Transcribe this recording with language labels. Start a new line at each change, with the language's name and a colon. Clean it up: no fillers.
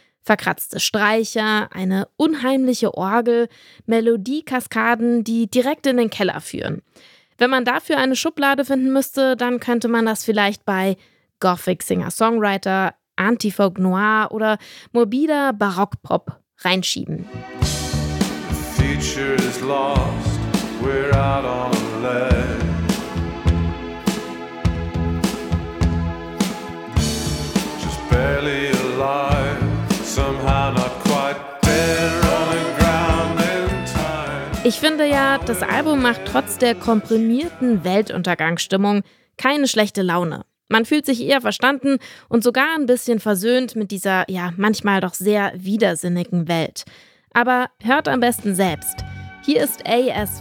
German: Verkratzte Streicher, eine unheimliche Orgel, Melodiekaskaden, die direkt in den Keller führen. Wenn man dafür eine Schublade finden müsste, dann könnte man das vielleicht bei Gothic Singer-Songwriter, Antifolk Noir oder morbider Barockpop reinschieben.
English: Future is lost, we're out on land. Just barely alive, somehow not quite dead, running ground in time.
German: Ich finde ja, das Album macht trotz der komprimierten Weltuntergangsstimmung keine schlechte Laune. Man fühlt sich eher verstanden und sogar ein bisschen versöhnt mit dieser, ja, manchmal doch sehr widersinnigen Welt. Aber hört am besten selbst. Hier ist A.S.